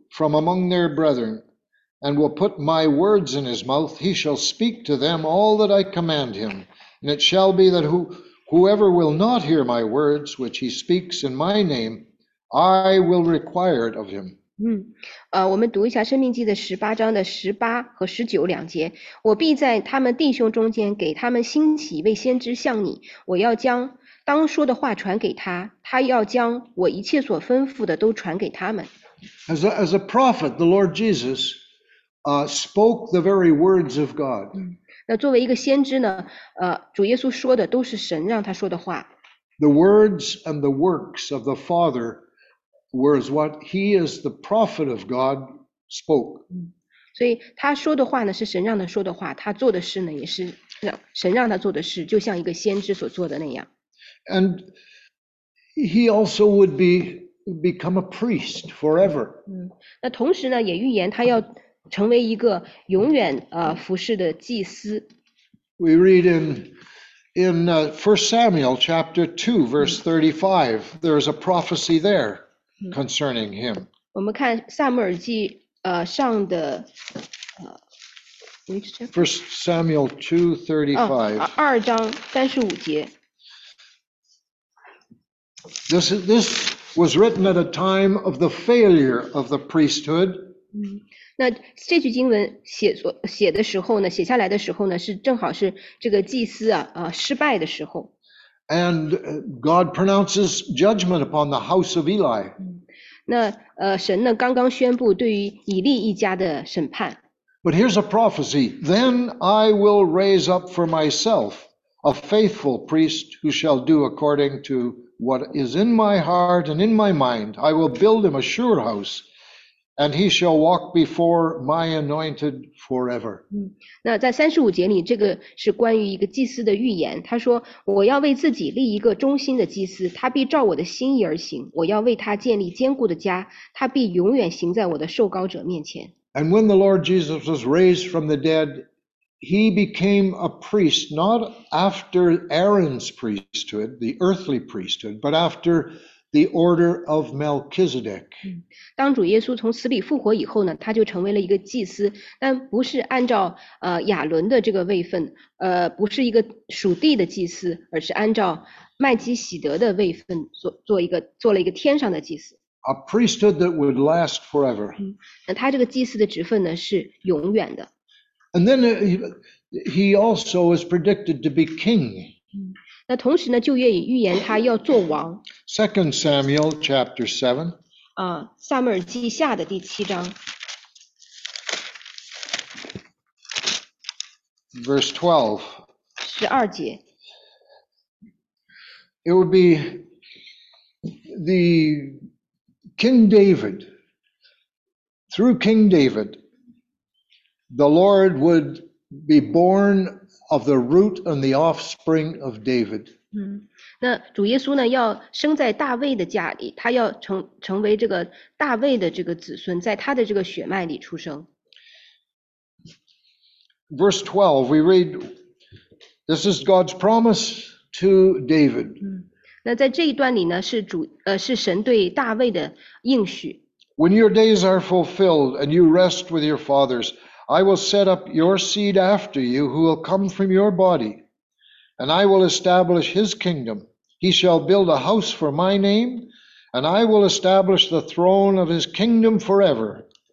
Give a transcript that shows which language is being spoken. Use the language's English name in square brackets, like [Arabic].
[English] From among their brethren, and will put my words in his mouth, he shall speak to them all that I command him. And it shall be that whoever will not hear my words, which he speaks in my name, I will require it of him. [Chinese] 我们读一下《生命记》的十八章的十八和十九两节。我必在他们弟兄中间给他们兴起一位先知向你，我要将当说的话传给他，他要将我一切所吩咐的都传给他们。 [English] As a prophet, the Lord Jesus spoke the very words of God. [Chinese] 那作为一个先知呢，主耶稣说的都是神让他说的话。 [English] The words and the works of the Father was what he as the prophet of God spoke. [Chinese] 所以他说的话呢是神让他说的话，他做的事呢也是神让他做的事，就像一个先知所做的那样。 [English] And he also would be. Become a priest forever. [Chinese] 那同时呢，也预言他要成为一个永远服侍的祭司。 [English] We read in First Samuel chapter 2 verse 35. There is a prophecy there concerning him. [Chinese] 我们看撒母耳记上的 [English] First Samuel 2:35. [Chinese] 二章三十五节。 [English] This was written at a time of the failure of the priesthood. [Chinese] 那这句经文写的时候呢，写下来的时候呢，是正好是这个祭司失败的时候。 [English] And God pronounces judgment upon the house of Eli. [Chinese] 那神呢，刚刚宣布对于以利一家的审判。 [English] But here's a prophecy. Then I will raise up for myself a faithful priest who shall do according to. What is in my heart and in my mind, I will build him a sure house, and he shall walk before my anointed forever. [Chinese] 那在三十五节里，这个是关于一个祭司的预言。他说：“我要为自己立一个忠心的祭司，他必照我的心意而行。我要为他建立坚固的家，他必永远行在我的受膏者面前。” [English] And when the Lord Jesus was raised from the dead, He became a priest, not after Aaron's priesthood, the earthly priesthood, but after the order of Melchizedek. [Chinese] 当主耶稣从死里复活以后呢，他就成为了一个祭司，但不是按照亚伦的这个位分，不是一个属地的祭司，而是按照麦基洗德的位分做了一个天上的祭司。 [English] A priesthood that would last forever. [Chinese] 那他这个祭司的职分呢，是永远的。 [English] And then he also is predicted to be king. [Chinese] 那同时呢，旧约也预言他要做王。 [English] Second Samuel chapter 7. [Chinese] 啊，撒母耳记下的第七章。 [English] Verse 12. [Chinese] 十二节。 [English] It would be the King David. Through King David. The Lord would be born of the root and the offspring of David. [Chinese] 那主耶稣呢，要生在大卫的家里，他要成为这个大卫的这个子孙，在他的这个血脉里出生。 [English] Verse 12, we read, this is God's promise to David. [Chinese] 那在这一段里呢，是神对大卫的应许。 [English] When your days are fulfilled and you rest with your fathers,I will set up your seed after you, who will come from your body, and I will establish his kingdom. He shall build a house for my name, and I will establish the throne of his kingdom forever.